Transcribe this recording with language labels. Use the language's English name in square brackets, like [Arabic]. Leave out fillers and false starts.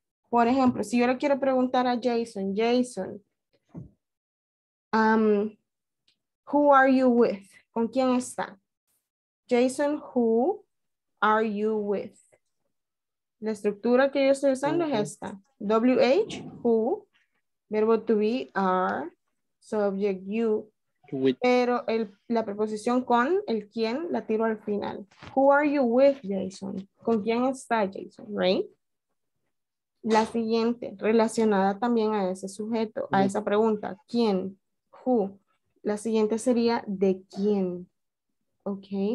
[Spanish] Por ejemplo, si yo le quiero preguntar a Jason, Jason, [English] who are you with? [Spanish] ¿Con quién está? [English] Jason, who are you with? [Spanish] La estructura que yo estoy usando es esta. [English] WH, who, verbo to be, are, subject, you. With. [Spanish] Pero la preposición con, el quién, la tiro al final. [English] Who are you with, Jason? [Spanish] ¿Con quién está, Jason? [English] Right? [Spanish] La siguiente, relacionada también a ese sujeto, a esa pregunta. ¿Quién? Who. La siguiente sería, ¿de quién? Ok.